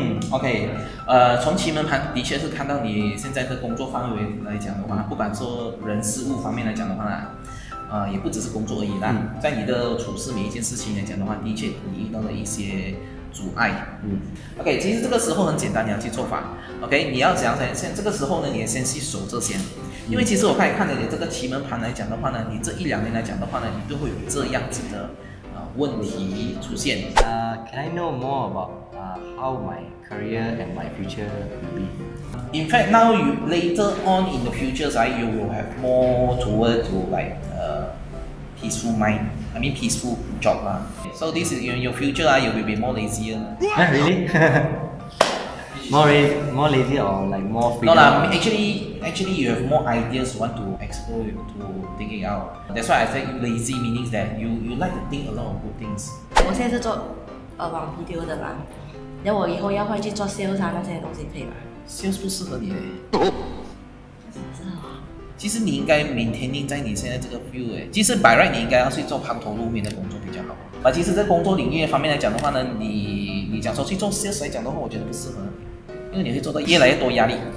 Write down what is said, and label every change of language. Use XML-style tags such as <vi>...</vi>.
<zh>OK， 从奇门盘的确是看到你现在的工作范围来讲的话，不管说人事物方面来讲的话呢，也不只是工作而已啦，在你的处事每一件事情来讲的话，的确你遇到了一些阻碍。 OK， 其实这个时候很简单，你要去做法。OK， 你要讲先，这个时候呢，你也先去守着先。因为其实我刚才看了你这个奇门盘来讲的话呢，你这一两年来讲的话呢，你都会有这样子的问题出现。</zh> <en>Can I know more about how my career and my future will be? In fact, now you later on in the future, right, you will have more toward to like peaceful mind. I mean peaceful job lah. So this is in your future you will be more lazy. Really? more lazy or like more free? No lah. Actually, you have more ideas want to explore to think it out. That's why I say lazy meaning that you like to think a lot of good things.</en> <zh>我现在是做网PTO的嘛，那我以后要回去做 sales 啊那些东西可以吗？Sales 不适合你。其实你应该maintaining在你现在这个 view 哎，其实</zh> <en>by right</en> <zh>你应该要去做抛头露面的工作比较好。啊，其实，在工作领域方面来讲的话呢，你讲说去做 sales 来讲的话，我觉得不适合你，因为你会做到越来越多压力。</zh>